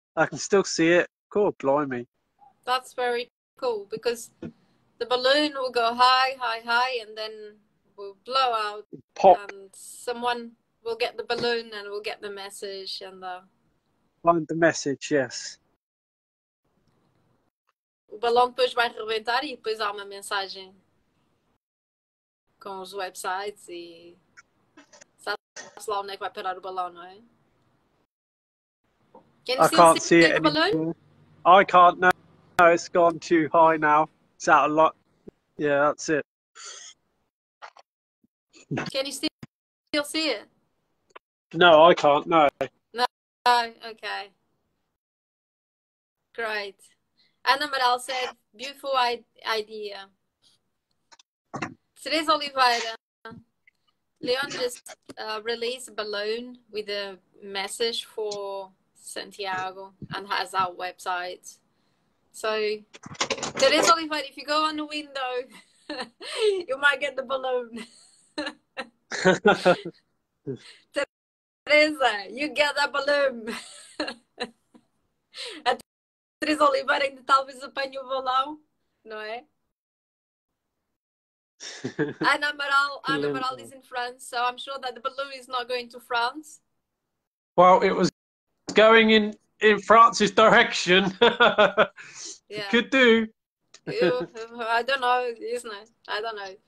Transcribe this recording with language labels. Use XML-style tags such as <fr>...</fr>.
<en>I can still see it. Cool, blimey. That's very cool, because the balloon will go high, high, high, and then will blow out. Pop. And someone... we'll get the balloon and we'll get the message and the... find the message, yes.</en> <pt>O balão depois vai rebentar e depois há uma mensagem com os websites e... sabe-se lá onde é que vai parar o balão, não é?</pt> <en>I can't see it anymore. I can't, no, it's gone too high now. It's out a lot. Yeah, that's it. Can you still see it? No, I can't, no. No, okay. Great. Ana Amaral said, beautiful idea. Teresa Oliveira, Leon just released a balloon with a message for Santiago and has our website. So, Teresa Oliveira, if you go on the window, you might get the balloon. Teresa, you get that balloon.</en> <pt>A Teresa Oliveira ainda talvez apanhe o balão, não é?</pt> <en>And Amaral is in France, so I'm sure that the balloon is not going to France. Well, it was going in France's direction. Yeah. Could do. I don't know, isn't it? I don't know.</en>